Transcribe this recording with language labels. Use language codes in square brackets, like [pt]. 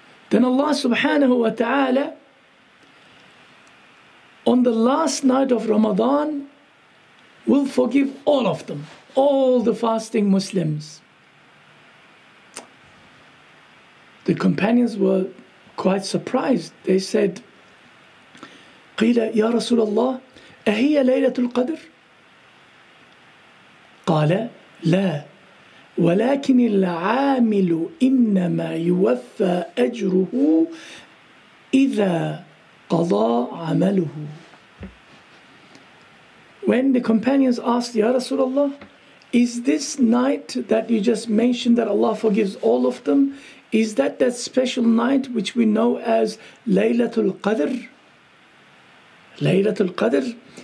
[en] Then Allah subhanahu wa ta'ala, on the last night of Ramadan, will forgive all of them, all the fasting Muslims. The companions were quite surprised. [ar] They said, قِيلَ يَا رَسُولَ اللَّهِ أَهِيَ لَيْلَةُ الْقَدْرِ قَالَ لَا وَلَكِنِ الْعَامِلُ إِنَّمَا يُوَفَّى أَجْرُهُ إِذَا قَضَى عَمَلُهُ. [en] When the companions asked, [ar] يَا رَسُولَ اللَّهِ, [en] is this night that you just mentioned that Allah forgives all of them, is that special night which we know as Laylatul Qadr? Laylatul Qadr?